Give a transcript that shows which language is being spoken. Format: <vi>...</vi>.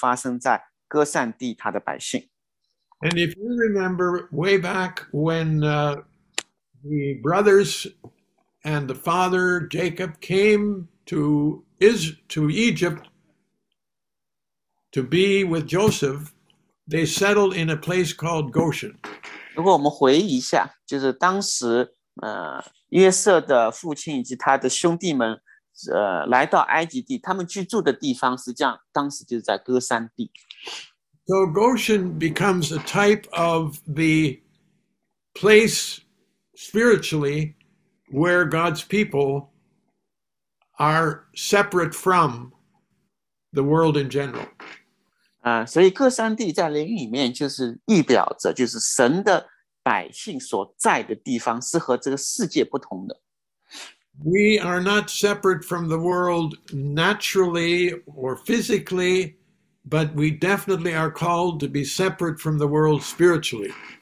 <zh>从下一个灾开始，神非常的清楚讲到，这些所发生的不会发生在歌善地他的百姓。</zh> <en>And if you remember way back when the brothers and the father Jacob came to Egypt to be with Joseph, they settled in a place called Goshen.</en> <zh>如果我们回忆一下，就是当时，约瑟的父亲以及他的兄弟们，来到埃及地，他们居住的地方实际上当时就在歌山地。</zh> <en>So Goshen becomes a type of the place spiritually where God's people are separate from the world in general.</en> <zh>所以各上帝在灵里面就是预表着就是神的百姓所在的地方是和这个世界不同的。</zh> <en>We are not separate from the world naturally or physically, but we definitely are called to be separate from the world spiritually.</en>